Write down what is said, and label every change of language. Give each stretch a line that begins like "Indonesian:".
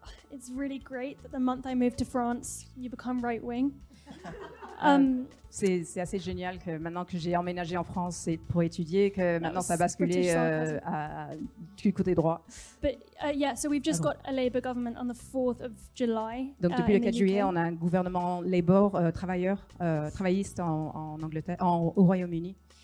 English: It's really great that the month I moved to France, you become right wing.
French: C'est assez génial que maintenant que j'ai emménagé en France et pour étudier, que maintenant ça a basculé du côté droit.
English: But yeah, so we've just got a Labour government on the 4th of July.
French: Donc depuis le 4 juillet, on a un gouvernement Labour travailleur travailliste en Angleterre, au Royaume-Uni.